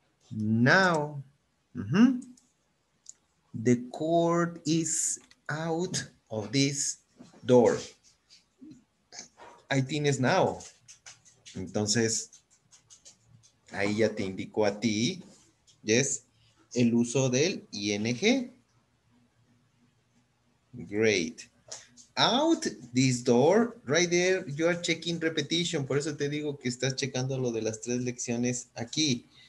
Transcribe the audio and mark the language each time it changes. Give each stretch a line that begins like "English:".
English: Now, the court is out of this door.
Spanish: Ahí tienes now. Entonces, ahí ya te indicó a ti, yes, el uso del ing.
English: Great. Out this door, right there, you are checking repetition.
Spanish: Por eso te digo que estás checando lo de las tres lecciones aquí.